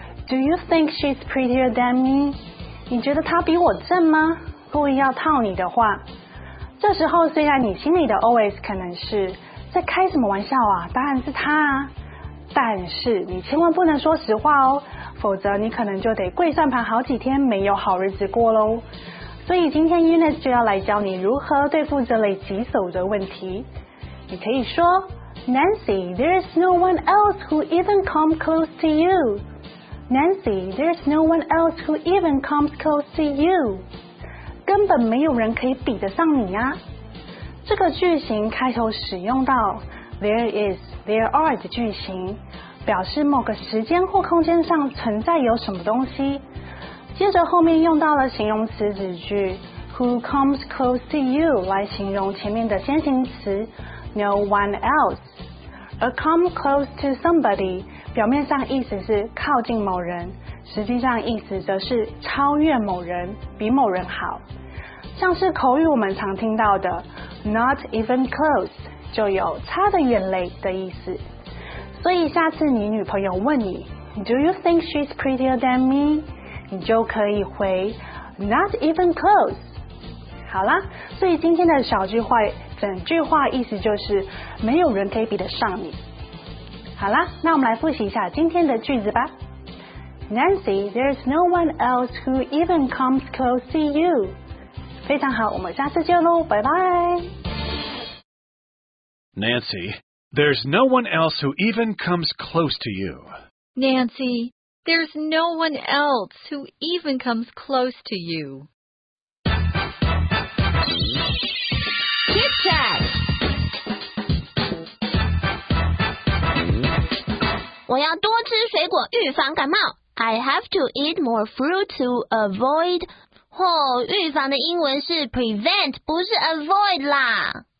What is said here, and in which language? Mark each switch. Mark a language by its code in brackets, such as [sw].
[en] Do you think she's prettier than me? [zh] 你觉得她比我正吗？故意要套你的话。这时候虽然你心里的 always 可能是在开什么玩笑啊，当然是她啊。但是你千万不能说实话哦，否则你可能就得跪算盘好几天，没有好日子过咯。所以今天 Eunice 就要来教你如何对付这类棘手的问题。你可以说 [en] Nancy, there is no one else who even come close to you. Nancy, there's no one else who even comes close to you. [zh] 根本没有人可以比得上你啊。这个句型开头使用到 there is, there are 的句型，表示某个时间或空间上存在有什么东西。接着后面用到了形容词子句 [en] who comes close to you [zh] 来形容前面的先行词 no one else. [en] A come close to somebody. [zh] 表面上意思是靠近某人，实际上意思则是超越某人，比某人好。像是口语我们常听到的 [en] not even close [zh] 就有差得远嘞的意思。所以下次你女朋友问你 [en] Do you think she's prettier than me? [zh] 你就可以回 [en] not even close。 [zh] 好啦，所以今天的小句话整句话意思就是没有人可以比得上你。好啦，那我们来复习一下今天的句子吧。 [en] Nancy, there's no one else who even comes close to you. [zh] 非常好，我们下次见咯，拜拜。 [en] Nancy, there's no one else who even comes close to you. Nancy, there's no one else who even comes close to you. Kit Kat! [zh] 我要多吃水果预防感冒。 [en] I have to eat more fruit to avoid. [zh] 哦，预防的英文是 prevent, 不是 avoid 啦。